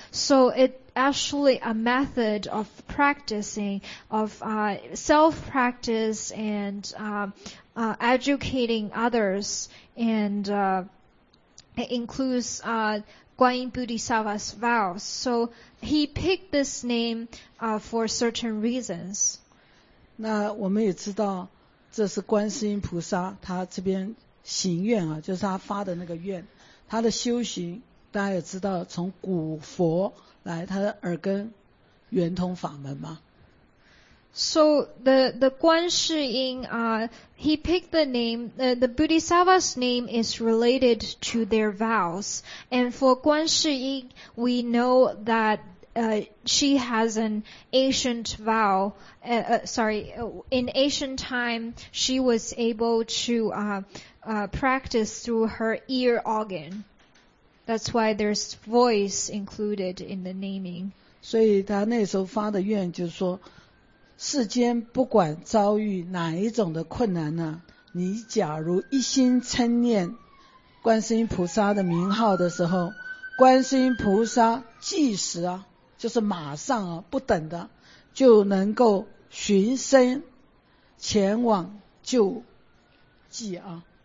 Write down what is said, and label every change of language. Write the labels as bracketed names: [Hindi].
[English] So it actually a method of practicing, of self-practice and educating others, and it includes Guanyin Bodhisattva's vows. So he picked this name for certain reasons. [Chinese] 那我们也知道这是观世音菩萨他这边行愿啊，就是他发的那个愿，他的修行大家也知道，从古佛来，他的耳根圆通法门嘛。 [English] So the 观世音he picked the name, the Bodhisattva's name is related to their vows, and for 观世音 we know thatshe has an ancient vow. In ancient time, she was able to practice through her ear organ. That's why there's voice included in the naming. [Chinese] 所以他那时候发的愿就是说，世间不管遭遇哪一种的困难呢，你假如一心称念观世音菩萨的名号的时候，观世音菩萨即时啊。就是马上啊，不等的，就能够寻声前往救济啊。